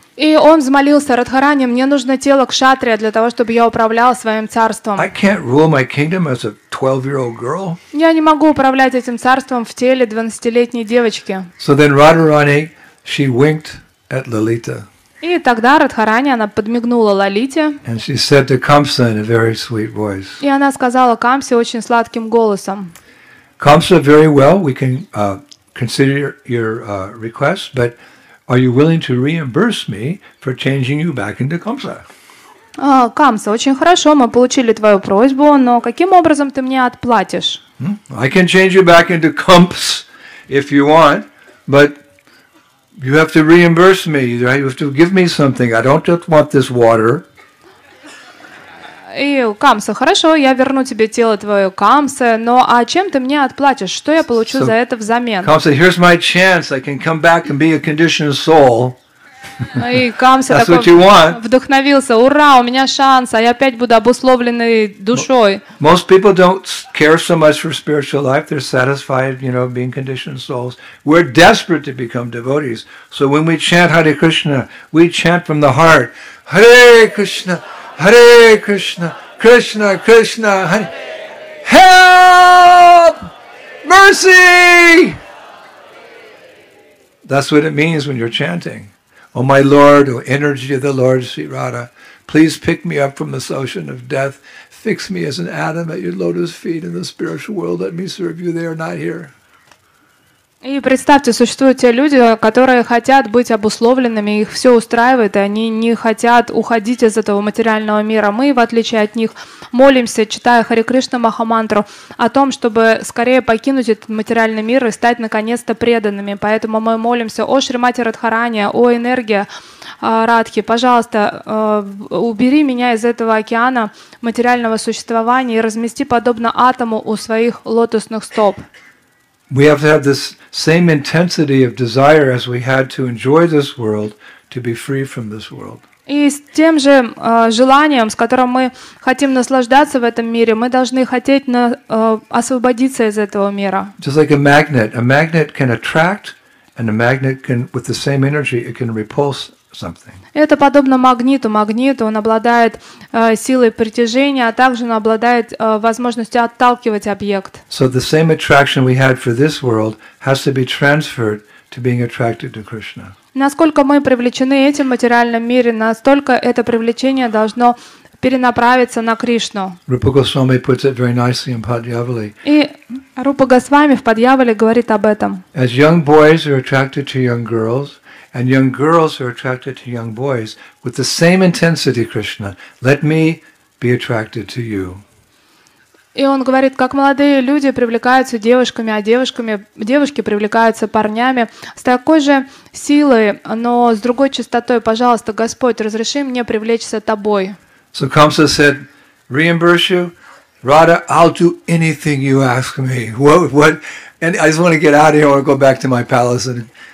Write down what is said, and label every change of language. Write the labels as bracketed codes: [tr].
[ru] И он взмолился Радхарани, мне нужно тело кшатрия для того, чтобы я управлял своим царством. [en] I can't rule my kingdom as a 12-year-old girl. [ru] Я не могу управлять этим царством в теле 12-летней девочки. [en] So then Radharani, she winked at Lalita. [ru] И тогда Радхарани, она подмигнула Лалите. [en] And she said to Kamsa in a very sweet voice. [ru] И она сказала Камсе очень сладким голосом. [en] Kamsa, very well, we can consider your request, but are you willing to reimburse me for changing you back into Kamsa? [ru] Камса, очень хорошо, мы получили твою просьбу, но каким образом ты мне отплатишь? [en] I can change you back into Kamps if you want, but you have to reimburse me. You have to give me something. I don't just want this water. [ru] и Камса, хорошо, я верну тебе тело твое, Камса, но а чем ты мне отплатишь? Что я получу за это взамен? [en] Камса, here's my chance. I can come back and be a conditioned soul. И Камса такой вдохновился. Ура, у меня шанс, а я опять буду обусловленной душой. Most people don't care so much for spiritual life. They're satisfied, you know, being conditioned souls. We're desperate to become devotees. So when we chant Hare Krishna, we chant from the heart. [sa] Hare Krishna, Hare Krishna, Krishna Krishna, Hare. [en] Help! Mercy! That's what it means when you're chanting. Oh my Lord, oh energy of the Lord, Sri Radha, please pick me up from this ocean of death. Fix me as an atom at your lotus feet in the spiritual world. Let me serve you there, not here. [ru] И представьте, существуют те люди, которые хотят быть обусловленными, их все устраивает, и они не хотят уходить из этого материального мира. Мы, в отличие от них, молимся, читая Хари Кришна Махамантру, о том, чтобы скорее покинуть этот материальный мир и стать наконец-то преданными. Поэтому мы молимся о Шримати Радхарани, о энергии Радхи. Пожалуйста, убери меня из этого океана материального существования и размести подобно атому у своих лотосных стоп. [en] We have to have this same intensity of desire as we had to enjoy this world, to be free from this world. [ru] И с тем же желанием, с которым мы хотим наслаждаться в этом мире, мы должны хотеть освободиться из этого мира. [en] Just like a magnet can attract, and a magnet can, with the same energy, it can repulse something. [ru] Это подобно магниту. Магнит, он обладает силой притяжения, а также он обладает возможностью отталкивать объект. [en] So the same attraction we had for this world has to be transferred to being attracted to Krishna. [ru] Насколько мы привлечены этим материальным миром, настолько это привлечение должно перенаправиться на Кришну. [en] Rupa Goswami puts it very nicely in Padyavali. [ru] И Рупа Госвами в Падьявале говорит об этом. [en] As young boys are attracted to young girls, and young girls are attracted to young boys with the same intensity, Krishna. Let me be attracted to you. [ru] И он говорит, как молодые люди привлекаются девушками, а девушки привлекаются парнями с такой же силой, но с другой частотой. Пожалуйста, Господь, разреши мне привлечься тобой. [en] So Kamsa said, reimburse you, Radha, I'll do anything you ask me. What? And I just want to get out of here. I want to go back to my palace and.